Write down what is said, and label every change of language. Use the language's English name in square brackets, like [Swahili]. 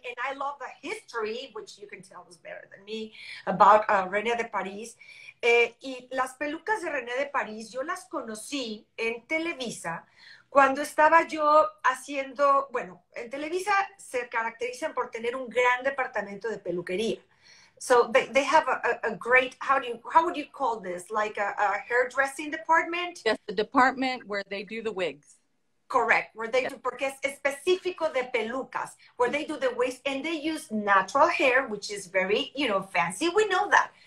[English] And I love the history, which you can tell is better than me, about René de Paris. [Spanish] Y las pelucas de René de Paris, yo las conocí en Televisa cuando estaba yo haciendo, bueno, en Televisa se caracterizan por tener un gran departamento de peluquería. [English] So they have a great, how would you call this? Like a hairdressing department? Yes, the department where they do the wigs. Correct, where they do, [Spanish] porque es específico de pelucas, [English] where they do the wigs and they use natural hair, which is very, you know, fancy. We know that.